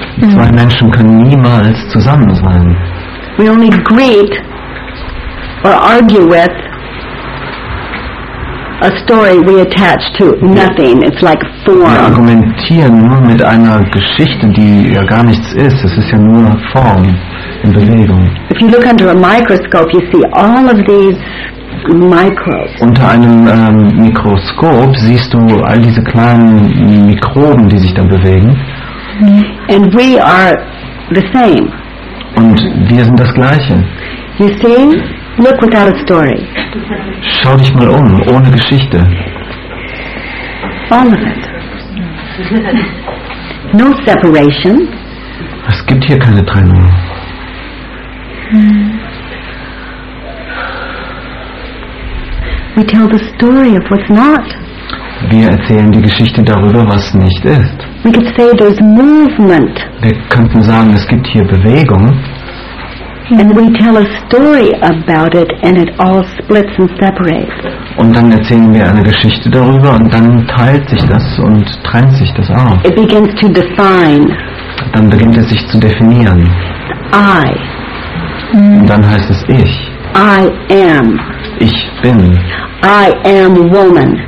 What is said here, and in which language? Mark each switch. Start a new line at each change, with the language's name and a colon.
German: Zwei Menschen können niemals zusammen sein.
English: We only greet or argue with a story we attach to nothing. It's like form.
German: Wir argumentieren nur mit einer Geschichte, die ja gar nichts ist. Es ist ja nur Form in Bewegung.
English: If you look under a microscope, you see all of these microbes.
German: Unter einem Mikroskop siehst du all diese kleinen Mikroben, die sich da bewegen.
English: And we are the same.
German: Und wir sind das Gleiche.
English: You see? Look without a story.
German: Schau dich mal um, ohne Geschichte.
English: All of it. No separation.
German: Es gibt hier keine Trennung.
English: We tell the story of what's not.
German: Wir erzählen die Geschichte darüber, was nicht ist.
English: We could say there's movement.
German: Wir könnten sagen, es gibt hier Bewegung.
English: And we tell a story about it, and it all splits and separates.
German: Und dann erzählen wir eine Geschichte darüber, und dann teilt sich das und trennt sich das auf.
English: It begins to define.
German: Dann beginnt es sich zu definieren.
English: I.
German: Und dann heißt es ich.
English: I am.
German: Ich bin.
English: I am woman.